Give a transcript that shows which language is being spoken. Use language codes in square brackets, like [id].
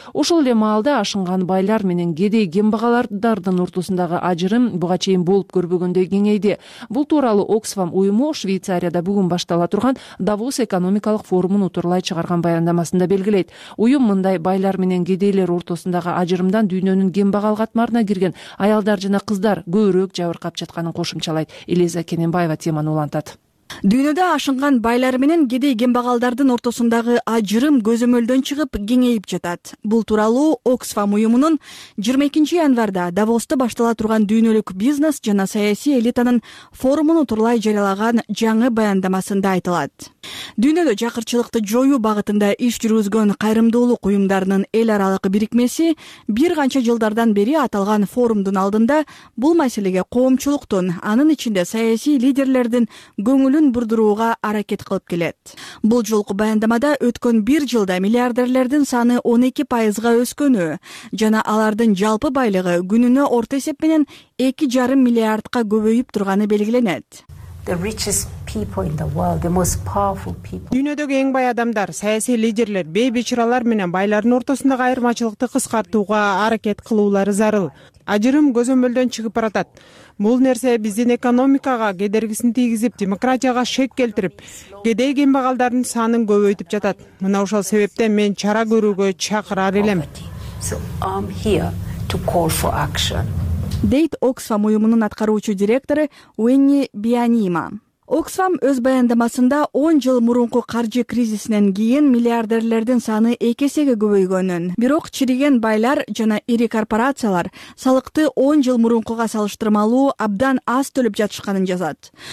[ky] Ошол эле маалда ашынган байлар менен кедей кембагалдардын ортосундагы ажырым буга чейин болуп көрбөгөндөй кеңейди. Бул тууралуу Оксфам уюму Швейцарияда бүгүн баштала турган Давос экономикалык форумун утурлай чыгарган баяндамасында белгилейт. Уюм байлар менен кедейлер ортосундагы ажырымдан дүйнөнүн кембагал катмарына кирген аялдар жана кыздар көбүрөөк жабыркап жатканын кошумчалайт. Элиза Кененбаева теманы улантат. Дүйнөдө ашынган байлар менен кедей кембагалдардын ортосундагы ажырым көзөмөлдөн чыгып кеңейип жатат. Бул тууралуу Оксфам уюмунун 22 январда Давосто баштала турган дүйнөлүк бизнес жана саясий элитанын форумун утурлай жарыялаган жаңы баяндамасында айтылат. Дүйнөдө жакырчылыкты жоюу багытында иш жүргүзгөн кайрымдуулук уюмдарынын эл аралык бирикмеси бир канча жылдардан бери аталган форумдун алдында бул маселеге коомчулуктун, анын ичинде саясий лидерлердин көңүлүн бурдурууга аракет кылып келет. Бул жолку баяндамада өткөн бир жылда миллиардерлердин саны 12% өскөнү жана алардын жалпы байлыгы күнүнө орто эсеп менен 2,5 миллиардка көбөйүп турганы белгиленет. [en] The richest people in the world, the most powerful people. [ky] Дүйнөдөгү эң бай адамдар, саясий лидерлер, бейбит чыралар менен байлардын ортосундагы айырмачылыкты кыскартууга аракет кылуулары зарыл. Ажырым көзөмөлдөн чыгып баратат. Бул нерсе биздин экономикага кедергисин тийгизип, демократияга шек келтирип, кедей кембагалдардын санын көбөйтүп жатат. Мына ошол себептен мен чара көрүүгө чакырар элем. [en] So I'm here to call for action. [ky] Дейт Оксфам уюмунун аткаруучу директору Уинни Бианима. Оксфам өз баяндамасында 10 жыл мурунку каржы кризисинен кийин миллиардерлердин саны 2 эсеге көбөйгөнүн, бирок чириген байлар жана ири корпорациялар салыкты 10 жыл мурункуга салыштырмалуу абдан аз төлөп жатышканын жазат.